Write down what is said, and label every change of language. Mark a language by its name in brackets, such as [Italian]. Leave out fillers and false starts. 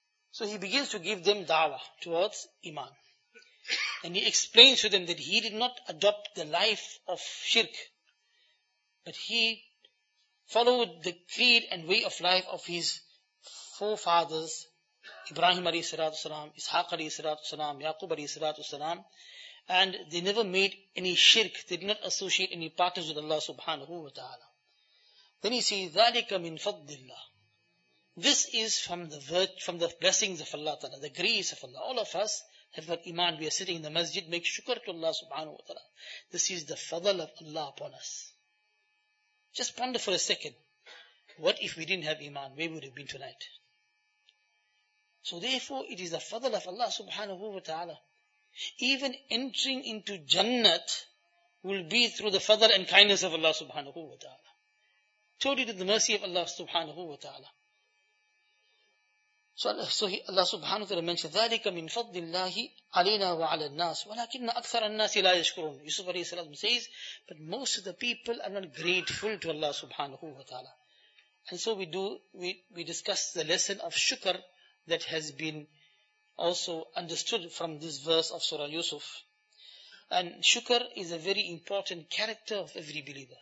[English] So he begins to give them da'wah towards Iman. And he explains to them that he did not adopt the life of shirk, but he followed the creed and way of life of his forefathers, Ibrahim alayhi salatu salam, Ishaq alayhi salatu salam, Yaqub alayhi salatu salam. And they never made any shirk. They did not associate any partners with Allah subhanahu wa ta'ala. Then he says, [Arabic] ذَلِكَ مِنْ فَضْلِ اللَّهِ. [English] This is from the blessings of Allah ta'ala, the grace of Allah. All of us have got Iman. We are sitting in the masjid. Make shukr to Allah subhanahu wa ta'ala. This is the fadl of Allah upon us. Just ponder for a second. What if we didn't have Iman? Where would we have been tonight? So therefore, it is the fadl of Allah subhanahu wa ta'ala. Even entering into Jannat will be through the fadl and kindness of Allah subhanahu wa ta'ala. Totally to the mercy of Allah subhanahu wa ta'ala. So Allah subhanahu wa ta'ala mentioned, [Arabic] ذَلِكَ مِنْ فَضْلِ اللَّهِ عَلَيْنَا وَعَلَى النَّاسِ وَلَكِنَّ أَكْثَرَ النَّاسِ لَا يَشْكُرُونَ. [English] Yusuf alayhi salam says, but most of the people are not grateful to Allah subhanahu wa ta'ala. And so we discuss the lesson of shukr that has been also understood from this verse of Surah Yusuf. And shukr is a very important character of every believer.